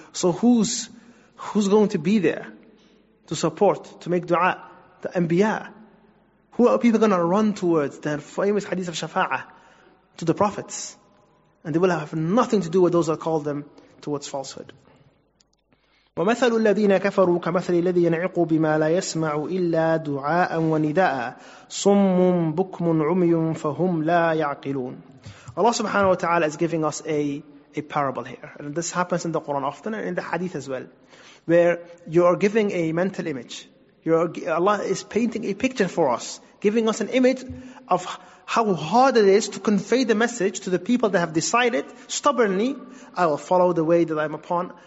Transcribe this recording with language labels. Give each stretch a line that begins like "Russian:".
English: So who's going to be there to support, to make dua that The Anbiya. Who are people going to run towards? The famous hadith of Shafa'ah to the prophets. And they will have nothing to do with those that call them towards falsehood.
Arabic: ومثل الذين كفروا كمثل الذي ينعق بما لا يسمع إلا دعاء ونداء صم بكم عمي فهم لا يعقلون.
English: Allah subhanahu wa ta'ala is giving us a parable here. And this happens in the Quran often and in the hadith as well. Where you are giving a mental image. Allah is painting a picture for us. Giving us an image of how hard it is to convey the message to the people that have decided stubbornly, I will follow the way that I'm upon.